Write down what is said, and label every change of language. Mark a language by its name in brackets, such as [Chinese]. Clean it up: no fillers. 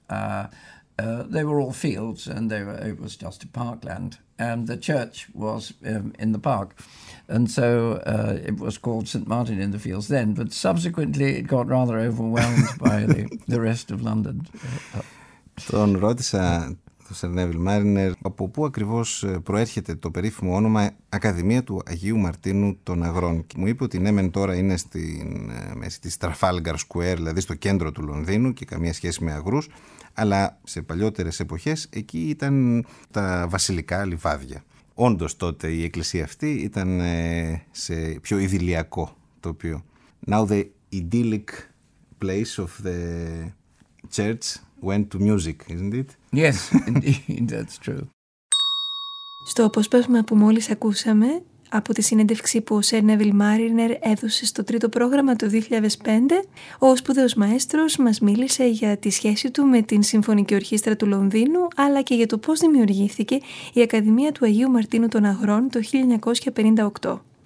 [English] Uh-huh. They were all fields, and it was just a parkland. And the church was in the park. And so it was called St. Martin in the Fields then. But subsequently, it got rather overwhelmed by the rest of London. [Greek] Τον ρώτησα, τον Σερ Νέβιλ Μάρινερ, από πού ακριβώς προέρχεται το περίφημο όνομα Ακαδημία του Αγίου Μαρτίνου των Αγρών. Και μου είπε ότι ναι, μεν τώρα είναι στην μέση της Trafalgar Square, δηλαδή στο κέντρο του Λονδίνου και καμία σχέση με αγρούς, αλλά σε παλιότερες εποχές εκεί ήταν τα βασιλικά λιβάδια. Όντως τότε η εκκλησία αυτή ήταν σε πιο ιδυλιακό τοπίο. [English] Now the idyllic place of the church went to music, isn't it? Yes, indeed, that's true. [Greek] Στο απόσπασμα που μόλις ακούσαμε από τη συνέντευξη που ο Σερ Νέβιλ Μάρινερ έδωσε στο τρίτο πρόγραμμα το 2005, ο σπουδαίος μαέστρος μας μίλησε για τη σχέση του με την Συμφωνική Ορχήστρα του Λονδίνου, αλλά και για το πώς δημιουργήθηκε η Ακαδημία του Αγίου Μαρτίνου των Αγρών το 1958.